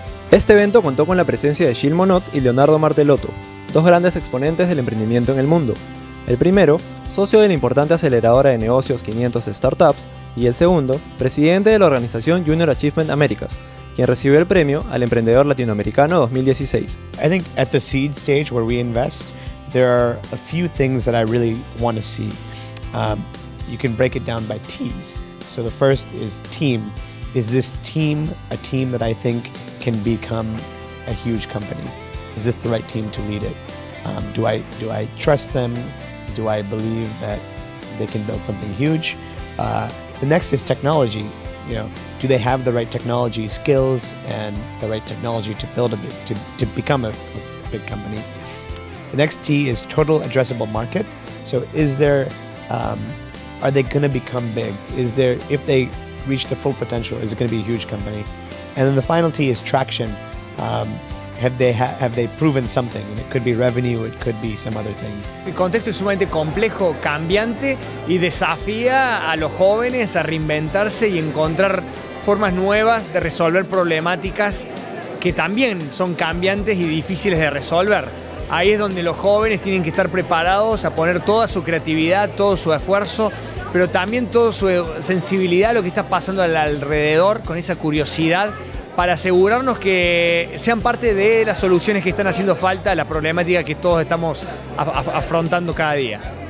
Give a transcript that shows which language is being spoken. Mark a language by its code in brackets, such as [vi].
[es] Este evento contó con la presencia de Chil Monod y Leonardo Martelotto, dos grandes exponentes del emprendimiento en el mundo. El primero, socio de la importante aceleradora de negocios 500 Startups, y el segundo, presidente de la organización Junior Achievement Americas, quien recibió el premio al emprendedor latinoamericano 2016. [en] I think at the seed stage where we invest, there are a few things that I really want to see. You can break it down by T's. So the first is team. Is this team a team that I think can become a huge company? Is this the right team to lead it? Do I trust them? Do I believe that they can build something huge? The next is technology. You know, do they have the right technology skills and the right technology to build to become a big company? The next T is total addressable market. So is there are they going to become big? Is there, if they reach the full potential, is it going to be a huge company? And then the final T is traction. Have they proven something? And it could be revenue, it could be some other thing. [es] El contexto es sumamente complejo, cambiante, y desafía a los jóvenes a reinventarse y encontrar formas nuevas de resolver problemáticas que también son cambiantes y difíciles de resolver. Ahí es donde los jóvenes tienen que estar preparados a poner toda su creatividad, todo su esfuerzo, pero también toda su sensibilidad a lo que está pasando al alrededor, con esa curiosidad, para asegurarnos que sean parte de las soluciones que están haciendo falta a la problemática que todos estamos afrontando cada día.